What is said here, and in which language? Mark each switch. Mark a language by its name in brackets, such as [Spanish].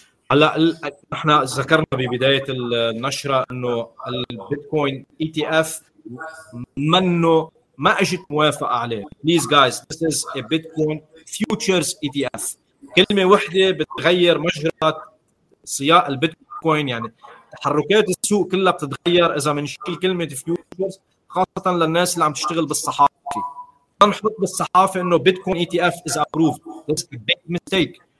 [Arabic] هلا احنا ذكرنا ببداية النشرة انه البيتكوين ETF ما اجت موافقة عليه. [English] Please guys, this is a Bitcoin futures ETF. [Arabic] كلمة واحدة بتغير مجرى سياق البيتكوين كوين يعني تحركات السوق كلها بتتغير اذا منشيل كلمه فيوتشرز خاصه للناس اللي عم تشتغل بالصحافه. بنحط بالصحافه انه [English] Bitcoin E T F is approved. This is a big mistake.